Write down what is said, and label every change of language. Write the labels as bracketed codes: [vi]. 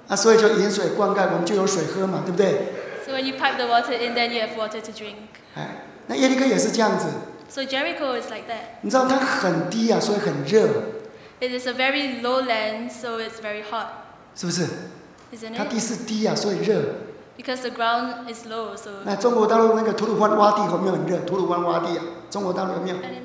[zh] 所以就引水灌溉，我们就有水喝嘛，对不对？ [en] So when you pipe the water in, then you have water to drink. [zh] 那耶利哥也是这样子。 [en] So Jericho is like that. [zh] 你知道它很低所以很热。 [en] It is a very low land, so it's very hot. [zh] 是不是？ [en] Isn't it? [zh] 它地势低所以热。 [en] Because the ground is low, so. [zh] 那中国大陆那个吐鲁番洼地有没有很热？吐鲁番洼地中国大陆有没有？